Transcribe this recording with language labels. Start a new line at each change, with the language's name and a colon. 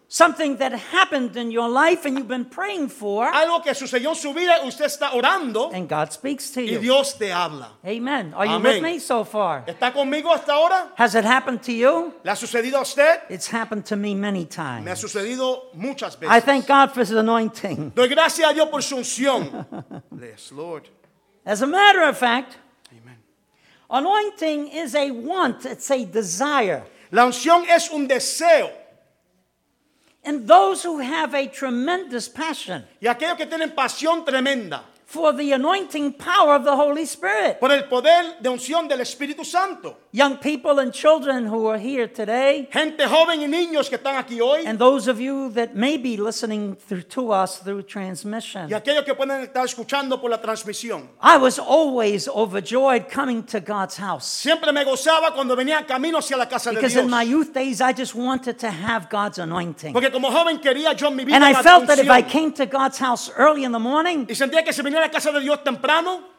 English: Something that happened in your life and you've been praying for.
Spanish: Algo que sucedió en su vida y usted está orando.
English: And God speaks to
Spanish: y
English: you.
Spanish: Y Dios te habla.
English: Amen. Are you Amen. With me so far?
Spanish: ¿Está conmigo hasta ahora?
English: Has it happened to you?
Spanish: ¿Le ha sucedido a usted?
English: It's happened to me many times.
Spanish: Me ha sucedido muchas veces.
English: I thank God for His anointing.
Spanish: Doy gracias a Dios por su unción.
English: Yes, Lord. As a matter of fact, anointing is a want, it's a desire.
Spanish: La unción es un deseo.
English: And those who have a tremendous passion.
Spanish: Y aquellos que tienen pasión tremenda.
English: For the anointing power of the Holy Spirit.
Spanish: Por el poder de unción del Espíritu Santo.
English: Young people and children who are here today.
Spanish: Gente joven y niños que están aquí hoy.
English: And those of you that may be listening to us through transmission.
Spanish: Y aquellos que pueden estar escuchando por la transmisión.
English: I was always overjoyed coming to God's house.
Spanish: Siempre me gozaba cuando venía camino hacia la casa de Dios.
English: Because in my youth days I just wanted to have God's anointing.
Spanish: Porque como joven quería yo mi vida.
English: And I felt that if I came to God's house early in the morning.
Spanish: Y sentía que si venía a la casa de Dios temprano.